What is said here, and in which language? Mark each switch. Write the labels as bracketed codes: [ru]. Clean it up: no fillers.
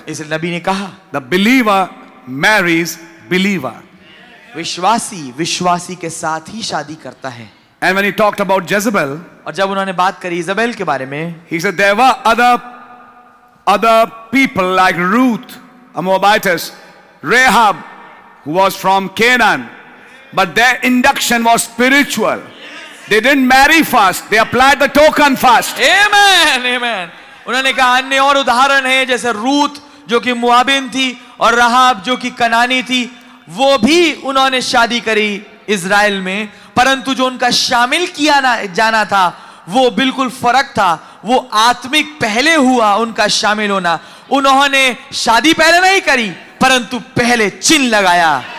[hi] इसलिए नबी ने कहा. [en] The believer marries believer. [hi] विश्वासी विश्वासी के साथ ही शादी करता है. [en] And when he talked about Jezebel. [hi] और जब उन्होंने बात करी इजाबेल के बारे में. [en] He said there were other people like Ruth, a Moabitess, Rahab, who was from Canaan, but their induction was spiritual. They didn't marry first. They applied the token first. Amen. Amen. [hi] उन्होंने कहा अन्य और उदाहरण है जैसे Ruth जो कि मुआबिन थी और रहाब जो कि कनानी थी. वो भी उन्होंने शादी करी इज़राइल में परंतु जो उनका शामिल किया जाना था वो बिल्कुल फर्क था. वो आत्मिक पहले हुआ उनका शामिल होना. उन्होंने शादी पहले नहीं करी परंतु पहले चिन्ह लगाया.